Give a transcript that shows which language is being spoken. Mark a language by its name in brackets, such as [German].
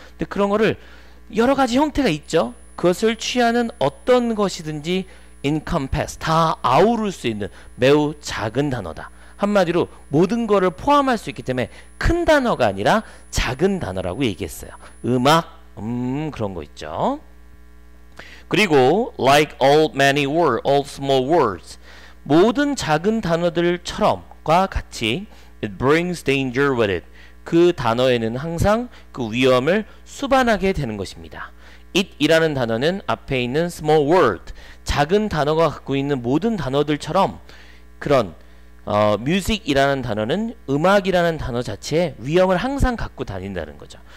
[Korean] 근데 그런 거를 여러 가지 형태가 있죠. 그것을 취하는 어떤 것이든지 encompass, 다 아우를 수 있는 매우 작은 단어다. 한마디로 모든 것을 포함할 수 있기 때문에 큰 단어가 아니라 작은 단어라고 얘기했어요. 음악, 그런 거 있죠. [English] 그리고 like all many words, all small words, [Korean] 모든 작은 단어들처럼과 같이 [English] it brings danger with it. [Korean] 그 단어에는 항상 그 위험을 수반하게 되는 것입니다. it이라는 단어는 앞에 있는 small word, 작은 단어가 갖고 있는 모든 단어들처럼 그런 music이라는 단어는 음악이라는 단어 자체에 위험을 항상 갖고 다닌다는 거죠.